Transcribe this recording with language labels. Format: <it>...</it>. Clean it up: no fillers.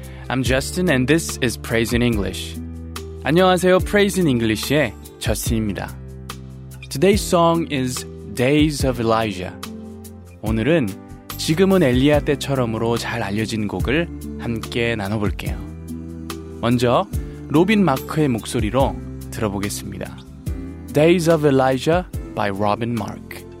<en>I'm Justin and this is Praise in English.</en> <ko>안녕하세요. Praise in English의 저스틴입니다.</ko> <en>Today's song is Days of Elijah.</en> <ko>오늘은 지금은 엘리야 때처럼으로 잘 알려진 곡을 함께 나눠볼게요. 먼저 로빈 마크의 목소리로 들어보겠습니다.</ko> <en>Days of Elijah by Robin Mark.</en>